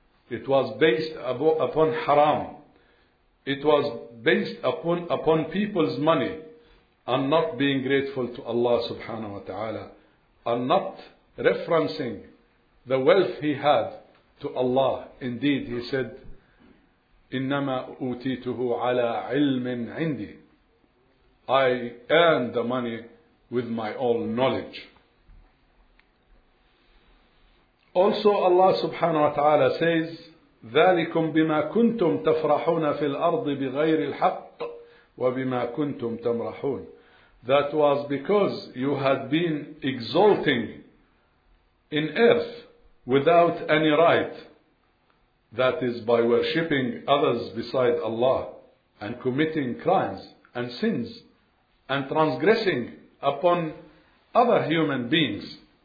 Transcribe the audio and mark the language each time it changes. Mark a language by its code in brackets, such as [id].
[en] It was based upon haram. It was based upon people's money, and not being grateful to Allah subhanahu wa ta'ala, and not referencing the wealth he had to Allah. Indeed, he said, [ar] إِنَّمَا أُوْتِيتُهُ عَلَىٰ عِلْمٍ عِنْدِي. [en] I earned the money with my own knowledge. Also Allah subhanahu wa ta'ala says, [ar] ذَلِكُمْ بِمَا كُنْتُمْ تَفْرَحُونَ فِي الْأَرْضِ بِغَيْرِ الْحَقِّ وَبِمَا كُنْتُمْ تَمْرَحُونَ. [en] That was because you had been exalting in earth without any right, that is by worshipping others beside Allah and committing crimes and sins and transgressing upon other human beings,